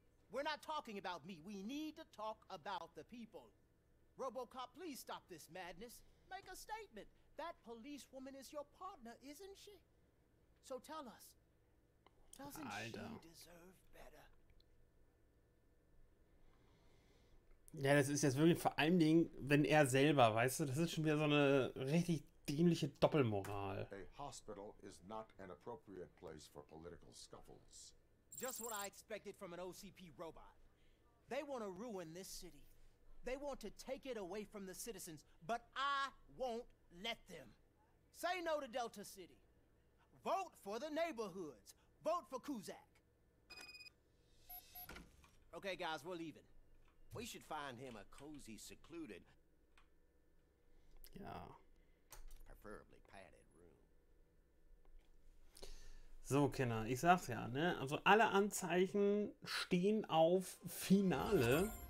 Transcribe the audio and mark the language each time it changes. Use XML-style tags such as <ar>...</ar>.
<en>We're not talking about me. We need to talk about the people. RoboCop, please stop this madness. Make a statement. That policewoman is your partner, isn't she? So tell us. Doesn't she deserve better?</en> <de>Ja, das ist jetzt wirklich vor allen Dingen, wenn selber, weißt du, das ist schon wieder so eine richtig dämliche Doppelmoral.</de> <en>A hospital is not an appropriate place for political scuffles. Just what I expected from an OCP robot. They want to ruin this city. They want to take it away from the citizens, but I won't let them. Say no to Delta City. Vote for the neighborhoods. Vote for Kuzak. Okay, guys, we're leaving. We should find him a cozy, secluded. Yeah. Preferably padded room.</en> <de>So, Kenner, ich sag's ja, ne? Also alle Anzeichen stehen auf Finale.</de>